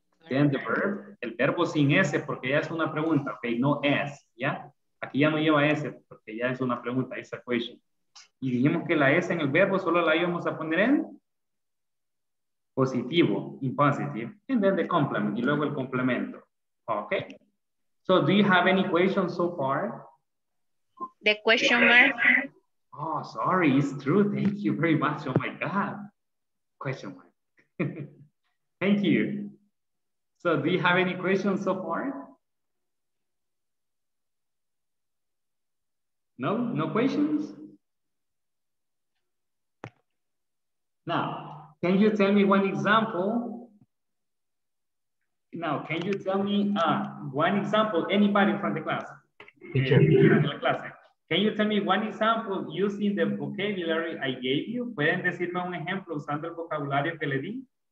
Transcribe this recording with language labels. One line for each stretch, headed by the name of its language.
English: Then the verb,
Spanish: el verbo sin s porque ya es una pregunta, okay, no s, ¿ya? Aquí ya no lleva s porque ya es una pregunta,
English: it's a question.
Spanish: Y dijimos que la s en el verbo solo la íbamos a poner en positivo,
English: in positive. And then the complement,
Spanish: y luego el complemento.
English: Okay, so do you have any questions so far? The question mark. Oh, sorry, it's true. Thank you very much. Oh my God. Question mark. Thank you. So do you have any questions so far? No, no questions? Now, can you tell me one example? Now, can you tell me one example, anybody from the class? Can you tell me one example using the vocabulary I gave you?
Spanish: ¿Pueden decirme un ejemplo usando el vocabulario que le di?